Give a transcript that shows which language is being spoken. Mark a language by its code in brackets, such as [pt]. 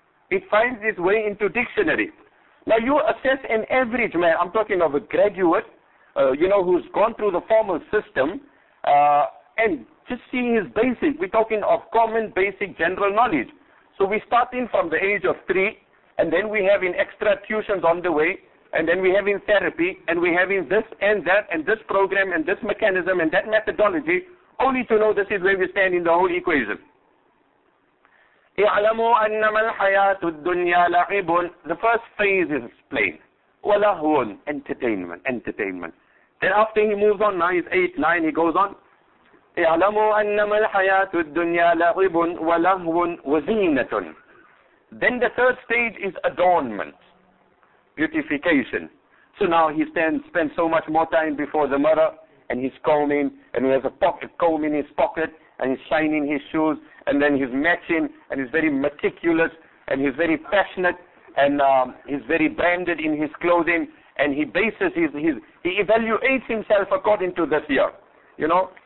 [en] It finds its way into dictionary. Now, you assess an average man, I'm talking of a graduate, you know, who's gone through the formal system, and just seeing his basic, we're talking of common, basic, general knowledge. So we start in from the age of three, and then we have in extra tuitions on the way, and then we have in therapy, and we have in this and that, and this program, and this mechanism, and that methodology, only to know this is where we stand in the whole equation. [ar] اعلموا انما الحياه الدنيا لعب. [en] The first phase is explained. ولهون, entertainment. Then after he moves on, 9, 8, 9, he goes on. [ar] اعلموا انما الحياه الدنيا لعب ولهو وزينه. [en] Then the third stage is adornment, beautification. So now he spends so much more time before the mirror, and he's combing, and he has a pocket comb in his pocket, and he's shining his shoes, and then he's matching, and he's very meticulous, and he's very passionate, and he's very branded in his clothing, and he bases he evaluates himself according to this year, you know.